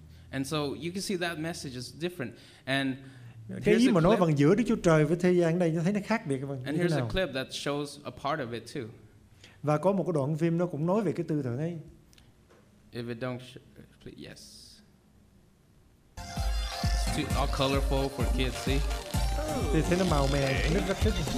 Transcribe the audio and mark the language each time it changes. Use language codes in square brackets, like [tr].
[en] And so you can see that message is different. And [vi] cái ý mà nói bằng giữa Đức Chúa Trời với thế gian đây, tôi thấy nó khác biệt. [en] And here's a clip that shows a part of it too. [vi] Và có một cái đoạn phim nó cũng nói về cái tư tưởng ấy. [en] If it don't please, yes. It's too, all colorful for kids, see? [vi] Thì thấy nó màu mè, nó rất thích.